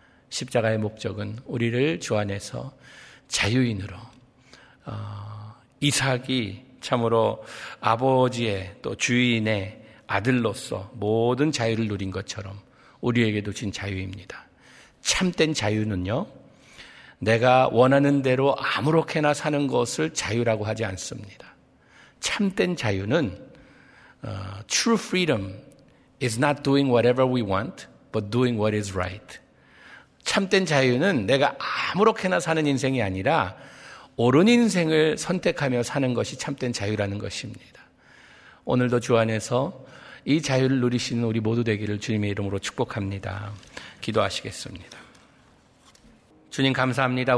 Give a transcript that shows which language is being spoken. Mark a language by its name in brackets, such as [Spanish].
[Korean] 십자가의 목적은 우리를 주 안에서 자유인으로 이삭이 참으로 아버지의 또 주인의 아들로서 모든 자유를 누린 것처럼 우리에게도 진 자유입니다. 참된 자유는요 내가 원하는 대로 아무렇게나 사는 것을 자유라고 하지 않습니다. 참된 자유는 [English] true freedom is not doing whatever we want, but doing what is right. [Korean] 참된 자유는 내가 아무렇게나 사는 인생이 아니라 옳은 인생을 선택하며 사는 것이 참된 자유라는 것입니다. 오늘도 주 안에서 이 자유를 누리시는 우리 모두 되기를 주님의 이름으로 축복합니다. 기도하시겠습니다. 주님 감사합니다.